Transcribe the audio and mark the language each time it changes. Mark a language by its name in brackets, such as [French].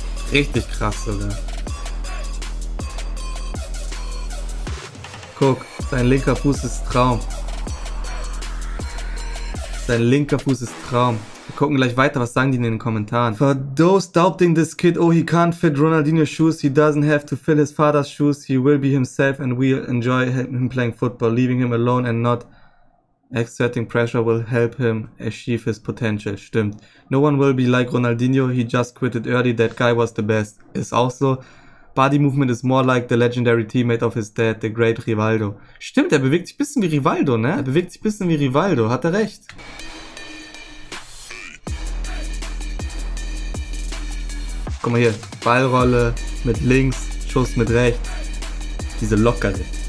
[German] Richtig krass sogar. Guck, sein linker Fuß ist Traum. Sein linker Fuß ist Traum. Wir gucken gleich weiter, was sagen die in den Kommentaren. [English] For those doubting this kid, oh, he can't fit Ronaldinho's shoes, he doesn't have to fill his father's shoes, he will be himself and we'll enjoy him playing football. Leaving him alone and not exerting pressure will help him achieve his potential. [German] Stimmt. [English] No one will be like Ronaldinho, he just quitted early, that guy was the best. [German] Ist auch so. [English] Body movement is more like the legendary teammate of his dad, the great Rivaldo. [German] Stimmt, er bewegt sich ein bisschen wie Rivaldo, ne? Er bewegt sich ein bisschen wie Rivaldo, hat er recht. Guck mal hier, Ballrolle mit links, Schuss mit rechts. Diese lockere.